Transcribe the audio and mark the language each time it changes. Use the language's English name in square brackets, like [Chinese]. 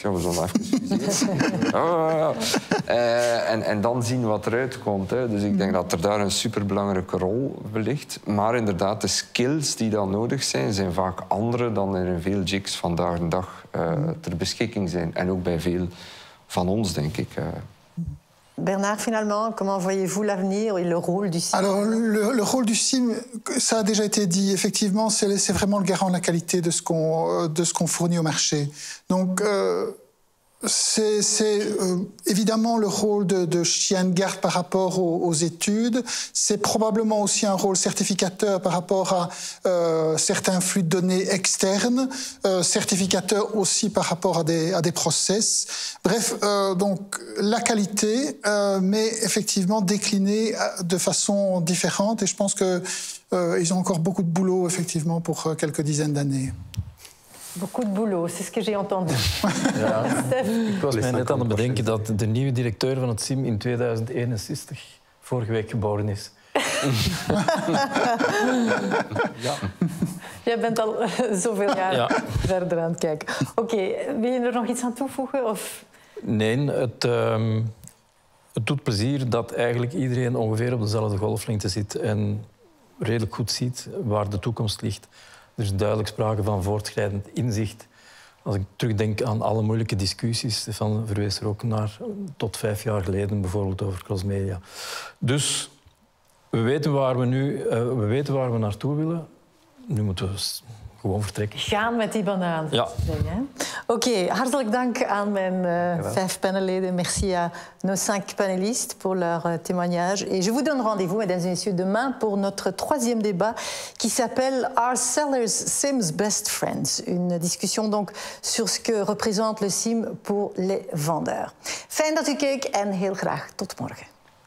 [Dutch] Ja, we zullen even fuseren. En dan zien wat eruit komt. Hè. Dus ik denk dat er daar een superbelangrijke rol ligt. Maar inderdaad, de skills die dan nodig zijn, zijn vaak andere dan er in veel jigs vandaag de dag ter beschikking zijn. En ook bij veel van ons, denk ik. [French] Bernard, finalement, comment voyez-vous l'avenir et le rôle du CIM? Alors, le rôle du CIM, ça a déjà été dit. Effectivement, c'est vraiment le garant de la qualité de ce qu'on fournit au marché. Donc, c'est évidemment le rôle de chien de garde par rapport aux études. C'est probablement aussi un rôle certificateur par rapport à certains flux de données externes, certificateur aussi par rapport à des process. Bref, donc la qualité, mais effectivement déclinée de façon différente. Et je pense qu'ils ont encore beaucoup de boulot, effectivement, pour quelques dizaines d'années. Beaucoup de boulot, c'est ce que j'ai entendu. [Dutch] Ja. Ik was mij net aan het bedenken dat de nieuwe directeur van het CIM in 2061 vorige week geboren is. Ja. Jij bent al zoveel jaar verder aan het kijken. Oké, wil je er nog iets aan toevoegen? Of? Nee, het doet plezier dat eigenlijk iedereen ongeveer op dezelfde golflengte zit en redelijk goed ziet waar de toekomst ligt. Er is duidelijk sprake van voortschrijdend inzicht. Als ik terugdenk aan alle moeilijke discussies, Stefan verwees er ook naar tot 5 jaar geleden, bijvoorbeeld over crossmedia. Dus we weten waar we nu, we weten waar we naartoe willen. Nu moeten we gewoon vertrekken. Gaan met die banaan. Ja. Oké, hartelijk dank aan mijn 5 panelleden. [French] Merci à nos 5 panélistes pour leur témoignage. Et je vous donne rendez-vous, mesdames et messieurs, demain pour notre 3e débat qui s'appelle Are Sellers Sims Best Friends? Une discussion donc sur ce que représente le Sim pour les vendeurs. [Dutch] Fijn dat u keek en heel graag tot morgen.